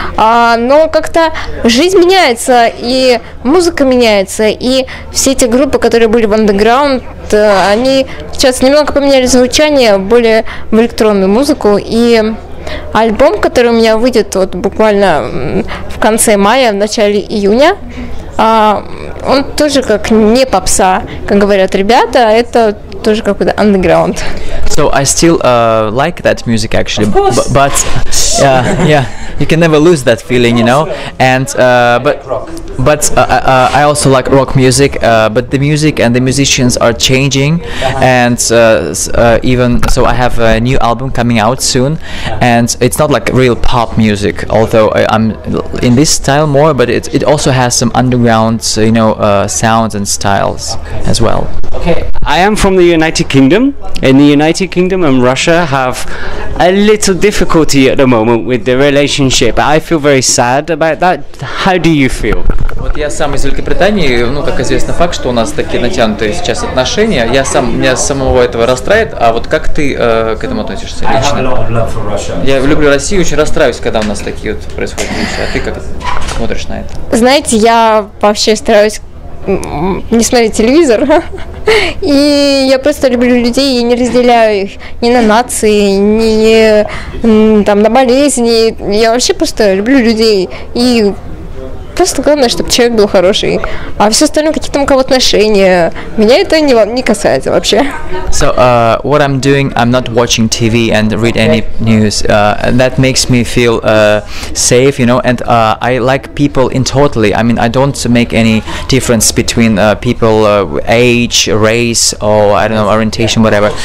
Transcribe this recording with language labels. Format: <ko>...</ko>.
<ru>Но как-то жизнь меняется, и музыка меняется, и все эти группы, которые были в underground, они сейчас немного поменяли звучание, более в электронную музыку, и альбом, который у меня выйдет вот буквально в конце мая, в начале июня, он тоже как не попса, как говорят ребята, это тоже какой-то underground.</ru> <en>So I still like that music actually, but yeah, you can never lose that feeling, you know. And I also like rock music, but the music and the musicians are changing, and even so, I have a new album coming out soon, and it's not like real pop music, although I'm in this style more, but it also has some underground, you know, sounds and styles as well. Okay, I am from the United Kingdom. In the United Kingdom and Russia have a little difficulty at the moment with the relationship. I feel very sad about that. How do you feel?</en> <ru>Вот я сам из Великобритании, как известно факт, что у нас такие натянутые сейчас отношения. Я сам, меня самого этого расстраивает. А вот как ты к этому относишься лично? Я люблю Россию, очень расстраиваюсь, когда у нас такие вот происходят вещи. А ты как смотришь на это? Знаете, я вообще стараюсь не смотреть телевизор. И я просто люблю людей и не разделяю их ни на нации, ни там на болезни. Я вообще просто люблю людей. И просто главное, чтобы человек был хороший. А все остальное, какие там у кого отношения, меня это не касается вообще.</ru> <en>So, what I'm doing, I'm not watching TV and read any news. And that makes me feel safe, you know, and I like people in totally. I mean, I don't make any difference between people, age, race, or, I don't know, orientation, whatever.</en>